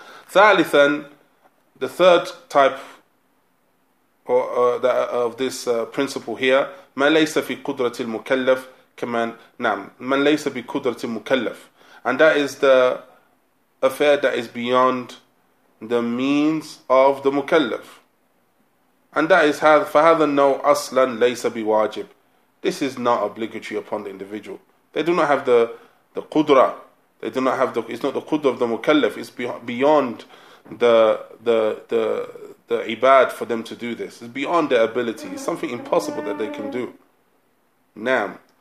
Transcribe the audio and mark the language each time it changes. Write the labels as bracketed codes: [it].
[en] ثالثاً, the third type of this principle here, [ar] ما ليس في قدرة المكلف [en] كمان نعم ما ليس بقدرة المكلف, and that is the affair that is beyond the means of the mukallaf. And that is, [ar] فَهَذَا النَّوْ أَصْلًا لَيْسَ بِوَاجِبٍ. [en] This is not obligatory upon the individual. They do not have the qudra. They do not have the, it's not the qudra of the mukallaf. It's beyond the ibad for them to do this. It's beyond their ability. It's something impossible that they can do. Naam.